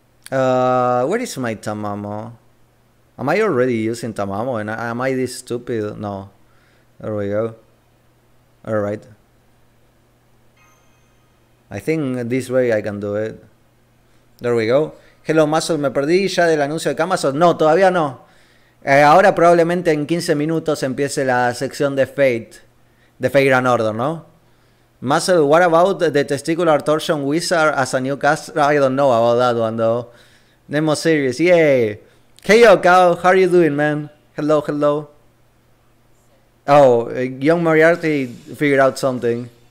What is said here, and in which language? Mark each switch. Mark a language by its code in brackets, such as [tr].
[en] Where is my Tamamo? Am I already using Tamamo? And am I this stupid? No. There we go. All right. I think this way I can do it. There we go. Hello, [es] Muscle, me perdí ya del anuncio de Camazotz. No, todavía no. Ahora probablemente en 15 minutos empiece la sección de Fate. De Fate Grand Order, ¿no? [en] Muscle, what about the testicular torsion wizard as a new caster? I don't know about that one though. Nemo series, yay! Hey yo, Cal, how are you doing, man? Hello, hello. Oh, Young Moriarty figured out something.